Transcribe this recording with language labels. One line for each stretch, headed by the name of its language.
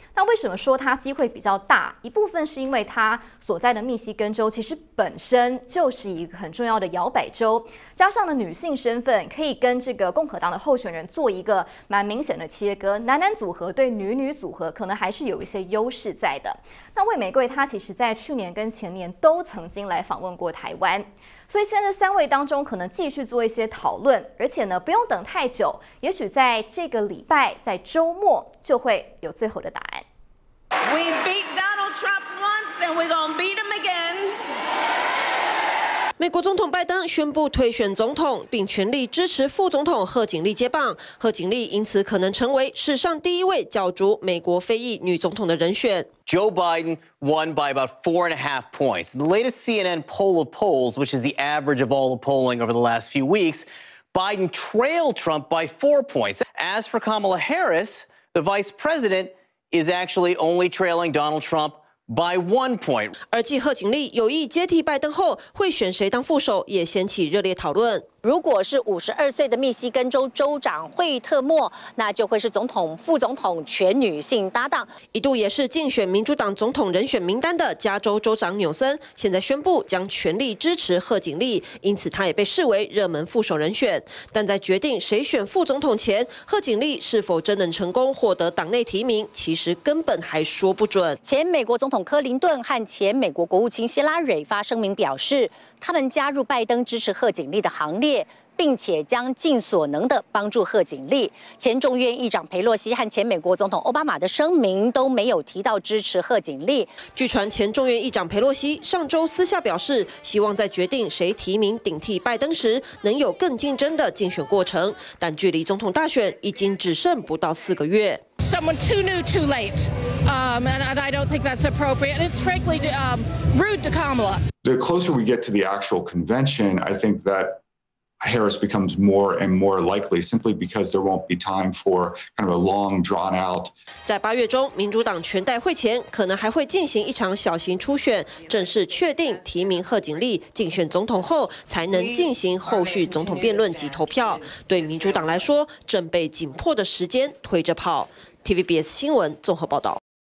Chinese: 那为什么说她机会比较大？一部分是因为她所在的密西根州其实本身就是一个很重要的摇摆州，加上了女性身份，可以跟这个共和党的候选人做一个蛮明显的切割，男男组合对女女组合可能还是有一些优势在的。那魏美贵她其实在去年跟前年都曾经来访问过台湾，所以现在三位当中可能继续做一些讨论，而且呢不用等太久，也许在这个礼拜在周末就会有最后的答案。
English: We beat Donald Trump once and we're gonna beat him again。
Chinese: 美国总统拜登宣布推选总统，并全力支持副总统贺锦丽接棒，贺锦丽因此可能成为史上第一位角逐美国非裔女总统的人选。
English: Joe Biden won by about 4.5 points. The latest CNN poll of polls, which is the average of all the polling over the last few weeks, Biden trailed Trump by 4 points. As for Kamala Harris, the vice president is actually only trailing Donald Trump. By 1 point.
Chinese: 而继贺锦丽有意接替拜登后，会选谁当副手也掀起热烈讨论。如果是52岁的密西根州州长惠特莫，那就会是总统、副总统全女性搭档。一度也是竞选民主党总统人选名单的加州州长纽森，现在宣布将全力支持贺锦丽，因此他也被视为热门副手人选。但在决定谁选副总统前，贺锦丽是否真能成功获得党内提名，其实根本还说不准。前美国总统克林顿和前美国国务卿希拉蕊发声明表示，他们加入拜登支持贺锦丽的行列，并且将尽所能的帮助贺锦丽。前众院议长佩洛西和前美国总统奥巴马的声明都没有提到支持贺锦丽。据传前众院议长佩洛西上周私下表示，希望在决定谁提名顶替拜登时能有更竞争的竞选过程，但距离总统大选已经只剩不到4个月。
English: Someone too new, too late. And I don't think that's appropriate. And it's frankly rude to Kamala. The closer we get to the actual convention, I think that Harris becomes more and more likely simply because there won't be time for kind of a long drawn out.
Chinese: 在八月中，民主党全代会前可能还会进行一场小型初选，正式确定提名贺锦丽竞选总统后，才能进行后续总统辩论及投票。对民主党来说，正被紧迫的时间推着跑。 TVBS 新闻综合报道。